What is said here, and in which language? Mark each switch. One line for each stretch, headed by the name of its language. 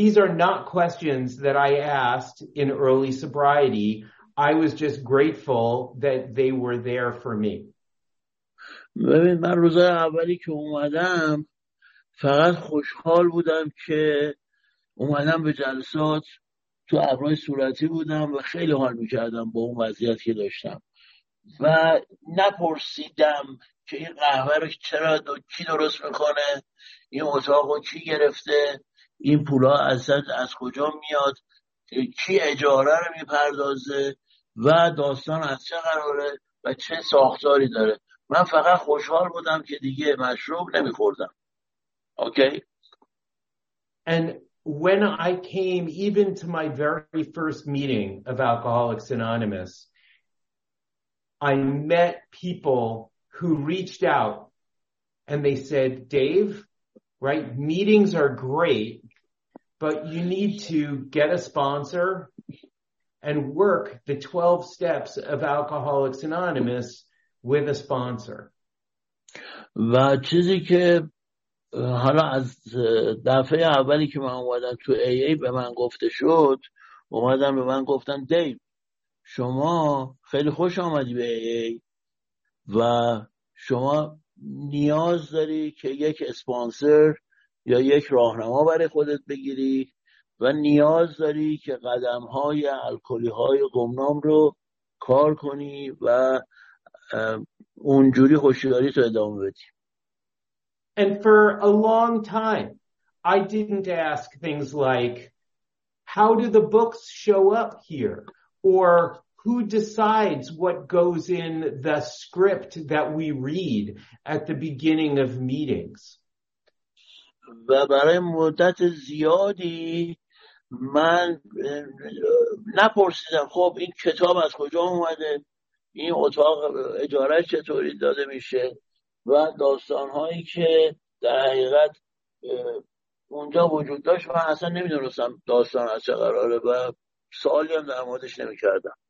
English: These are not questions that I asked in early sobriety. I was just grateful that they were there for me.
Persian: ببین من روزای اولی که اومدم فقط خوشحال بودم که اومدم به جلسات، تو ابرای صورتی بودم و خیلی حال میکردم با اون وضعیت که داشتم و نپرسیدم که این قهوه رو چرا کی درست میکنه، این اتاق رو کی گرفته، این پولا از کجا میاد، کی اجاره رو میپردازه و داستان از چه قراره و چه ساختاری داره. من فقط خوشحال بودم که دیگه مشروب نمیخوردم.
English: Okay? And when I came even to my very first meeting of Alcoholics Anonymous, I met people who reached out and they said, Dave, right, meetings are great, but you need to get a sponsor and work the 12 steps of Alcoholics Anonymous with a sponsor.
Persian: و چیزی که حالا از دفعه اولی که من اومدم تو ای ای به من گفته شد، اومدم به من گفتن دیو شما خیلی خوش آمدی به ای ای و شما نیاز داری که یک اسپانسر یا یک راهنما برای خودت بگیری و نیاز داری که قدم‌های الکلی‌های گمنام رو کار کنی و اونجوری هوشیاری تو ادامه بدی.
English: And for a long time I didn't ask things like how do the books show up here or who decides what goes in the script that we read at the beginning of meetings.
Persian: و برای مدت زیادی من نپرسیدم خب این کتاب از کجا اومده، این اتاق اجاره چطوری داده میشه و داستانهایی که در حقیقت اونجا وجود داشت من اصلا نمیدونستم داستان از چه قراره و سوالی هم در موردش نمیکردم.